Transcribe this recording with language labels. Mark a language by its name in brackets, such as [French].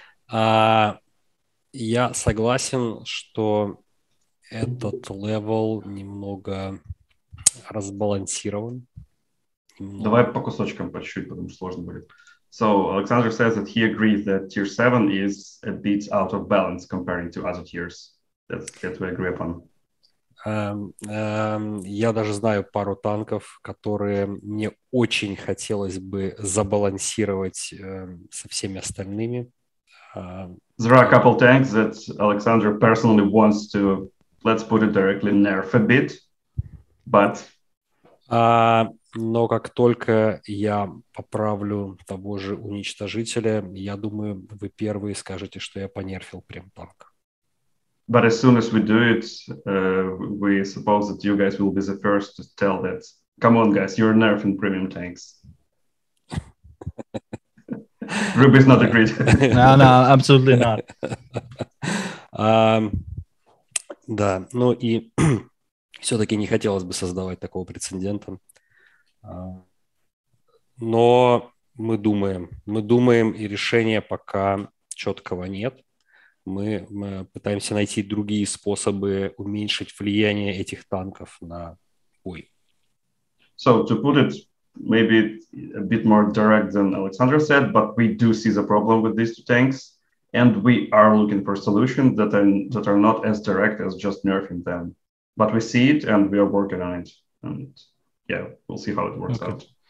[Russian] Я согласен, что этот левел немного разбалансирован. Давай по кусочкам, по чуть-чуть, потому что сложно будет. [English] So, Alexander says that he agrees that tier 7 is a bit out of balance comparing to other tiers. That we agree upon. [Russian] Я даже знаю пару танков, которые мне очень хотелось бы забалансировать со всеми остальными. [English] There are a couple tanks that Alexander personally wants to, let's put it directly, nerf a bit, but... [Russian] Но как только я поправлю того же уничтожителя, я думаю, вы первые скажете, что я понерфил прям танк. [English] But as soon as we do it, we suppose that you guys will be the first to tell that. Come on, guys, you're nerfing premium tanks. Ruby's not agreed. No, absolutely not. [Russian] Да, ну и все-таки не хотелось бы создавать такого прецедента. Но мы думаем, и решения пока четкого нет. Мы пытаемся найти другие способы уменьшить влияние этих танков на бой. [English] So to put it maybe a bit more direct than Alexander said, but we do see the problem with these two tanks, and we are looking for solutions that are not as direct as just nerfing them. But we see it and we are working on it. And yeah, we'll see how it works out.